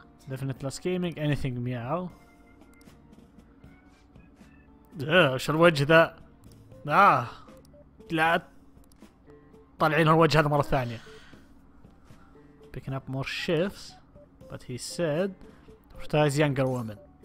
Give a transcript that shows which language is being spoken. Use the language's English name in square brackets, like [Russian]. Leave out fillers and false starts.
[English] Definitely not scheming anything, meow. [Arabic] ايش الوجه ذا؟ لا طالعين الوجه هذا مرة ثانية. [English] Picking up more shifts, but he said prioritize younger women.